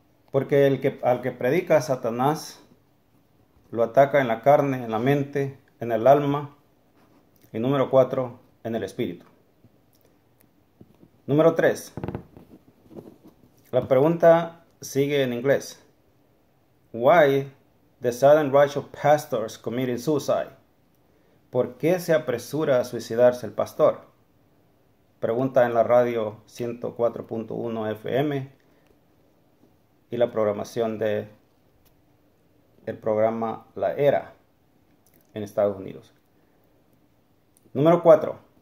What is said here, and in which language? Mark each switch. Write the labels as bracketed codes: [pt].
[es] Porque al que predica Satanás, lo ataca en la carne, en la mente, en el alma y número 4, en el espíritu. Número 3. La pregunta sigue en inglés. [en] Why the sudden rush of pastors committing suicide? [es] ¿Por qué se apresura a suicidarse el pastor? Pregunta en la radio 104.1 FM y la programación de el programa La Era en Estados Unidos. Número 4.